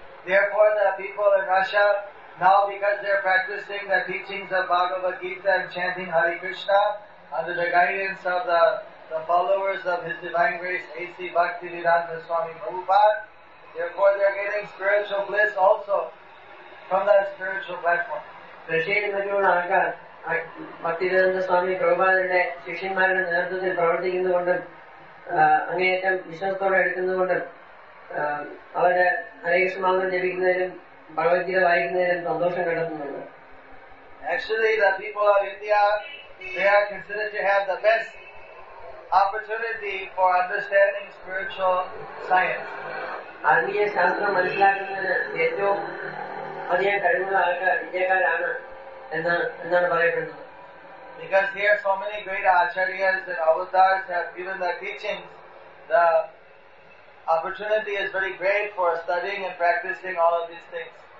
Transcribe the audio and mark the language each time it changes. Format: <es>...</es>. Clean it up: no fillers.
<en>Therefore, the people in Russia, now because they are practicing the teachings of Bhagavad Gita and chanting Hare Krishna under the guidance of the followers of His Divine Grace, A.C. Bhaktivedanta Swami Prabhupada, therefore they are getting spiritual bliss also from that spiritual platform.</en> <ml>പ്രശ്നങ്ങളുള്ള ആൾക്കാർ ഭക്തിവിനന്ദ സ്വാമി പ്രഭുപാദന്റെ ശിഷ്യന്മാരുടെ നേതൃത്വത്തിൽ പ്രവർത്തിക്കുന്നുകൊണ്ടും അങ്ങേയറ്റം വിശ്വാസത്തോടെ എടുക്കുന്നുകൊണ്ടും അവര് ഹരികൃഷ്ണമാർഗം ജപിക്കുന്നതിലും ഭഗവത്ഗീത വായിക്കുന്നതിലും സന്തോഷം കണ്ടെത്തുന്നുണ്ട്.</ml> <en>Actually, the people of India, they are considered to have the best opportunity for understanding spiritual science.</en> <ml>ആത്മീയ ശാസ്ത്രം മനസ്സിലാക്കുന്നതിന് ഏറ്റവും അധികം കഴിവുള്ള ആൾക്കാർ ഇന്ത്യക്കാരാണ് എന്നാണ് പറയപ്പെടുന്നത്.</ml> <en>Because here so many great acharyas and avatars have given their teachings, the opportunity is very great for studying and practicing all of these things.</en>